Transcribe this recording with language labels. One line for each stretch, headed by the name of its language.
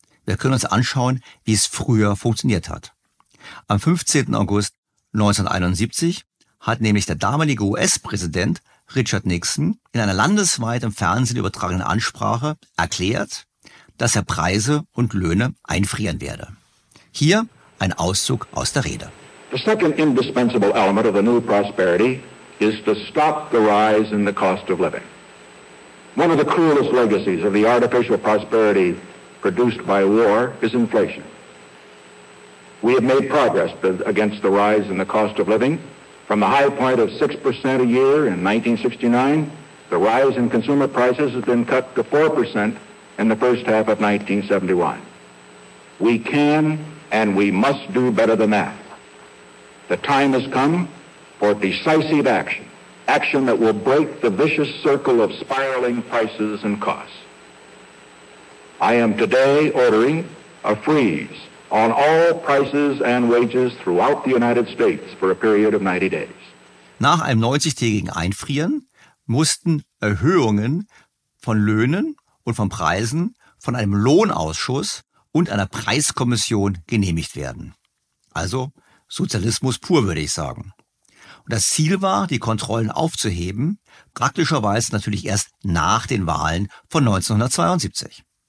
German: Wir können uns anschauen, wie es früher funktioniert hat. Am 15. August 1971 hat nämlich der damalige US-Präsident Richard Nixon in einer landesweit im Fernsehen übertragenen Ansprache erklärt, dass er Preise und Löhne einfrieren werde. Hier ein Auszug aus der Rede.
English: The second indispensable element of the new prosperity is to stop the rise in the cost of living. One of the cruelest legacies of the artificial prosperity produced by war is inflation. We have made progress against the rise in the cost of living. From the high point of 6% a year in 1969, the rise in consumer prices has been cut to 4% in the first half of 1971. We can and we must do better than that. The time has come for decisive action, action that will break the vicious circle of spiraling prices and costs. I am today ordering a freeze on all prices and wages throughout the United States for a period of 90 days.
German: Nach einem 90-tägigen Einfrieren mussten Erhöhungen von Löhnen und von Preisen von einem Lohnausschuss und einer Preiskommission genehmigt werden. Also Sozialismus pur, würde ich sagen. Und das Ziel war, die Kontrollen aufzuheben, praktischerweise natürlich erst nach den Wahlen von 1972.